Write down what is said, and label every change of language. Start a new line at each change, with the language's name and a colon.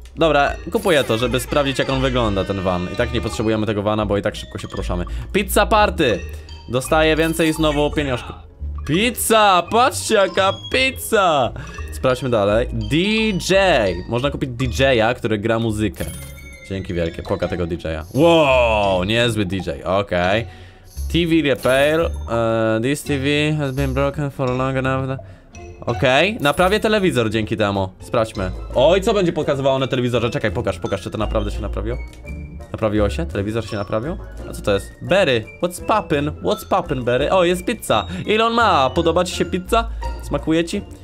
Polish: Dobra, kupuję to, żeby sprawdzić, jak on wygląda, ten van. I tak nie potrzebujemy tego vana, bo i tak szybko się poruszamy. Pizza party. Dostaję więcej znowu pieniążków. Pizza, patrzcie, jaka pizza. Sprawdźmy dalej. DJ. Można kupić DJ-a, który gra muzykę. Dzięki wielkie, koka tego DJ-a. Wow, niezły DJ, okej, okay. TV repair.
English: This TV has been broken for long enough.
Polish: Okej, okay. Naprawię telewizor dzięki temu. Sprawdźmy. Oj, co będzie pokazywało na telewizorze? Czekaj, pokaż, pokaż, czy to naprawdę się naprawiło. Naprawiło się? Telewizor się naprawił? A co to jest?
English: Berry, what's poppin? What's poppin, Berry?
Polish: O, jest pizza. Ile on ma? Podoba ci się pizza? Smakuje ci?